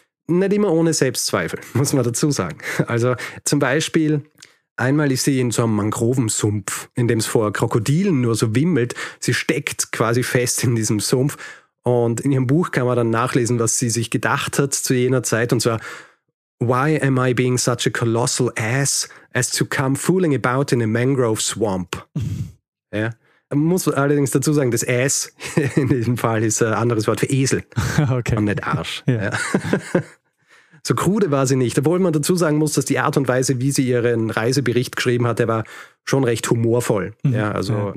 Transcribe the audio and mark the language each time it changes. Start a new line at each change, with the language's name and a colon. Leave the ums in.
German: Nicht immer ohne Selbstzweifel, muss man dazu sagen. Also zum Beispiel Einmal ist sie in so einem Mangrovensumpf, in dem es vor Krokodilen nur so wimmelt. Sie steckt quasi fest in diesem Sumpf. Und in ihrem Buch kann man dann nachlesen, was sie sich gedacht hat zu jener Zeit. Und zwar,
English: Why am I being such a colossal ass as to come fooling about in a mangrove swamp?
German: ja. Man muss allerdings dazu sagen, das Ass in diesem Fall ist ein anderes Wort für Esel okay. und nicht Arsch. Ja. Ja. So krude war sie nicht, obwohl man dazu sagen muss, dass die Art und Weise, wie sie ihren Reisebericht geschrieben hat, der war schon recht humorvoll. Mhm. Ja, also ja.